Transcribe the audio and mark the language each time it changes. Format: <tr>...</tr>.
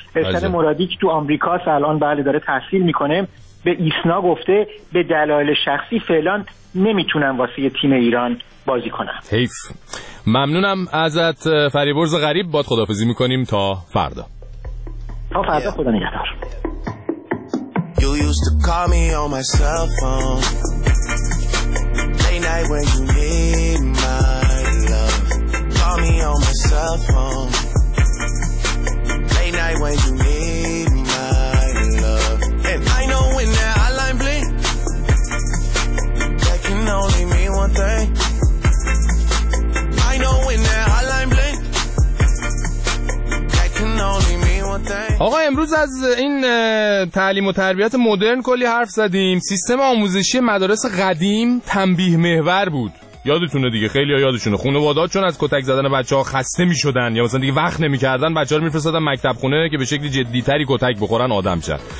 <fa>ارشد مرادی که تو آمریکاست الان بله داره تحصیل میکنه به ایسنا گفته به دلایل شخصی فعلا نمیتونم واسه تیم ایران بازی کنم. حیف. ممنونم ازت فریبرز غریب، باد خدافظی میکنیم تا فردا. تا فردا، خدا نگهدار.</fa> <en>You used to call me on my cell phone late night when you need my love. Call me on my cell phone late night when you need my love. And I know when that hotline bling that can only mean one thing. I know when that hotline bling that can only mean one thing.</en> <fa>آقا امروز از این تعلیم و تربیت مدرن کلی حرف زدیم. سیستم آموزشی مدارس قدیم تنبیه محور بود، یادتونه دیگه، خیلی ها یادشونه. خانواده‌ها چون از کتک زدن بچه ها خسته می شدن یا مثلا دیگه وقت نمی کردن، بچه ها رو می فرستادن مکتب خونه که به شکلی جدیتری کتک بخورن آدم شد.</fa>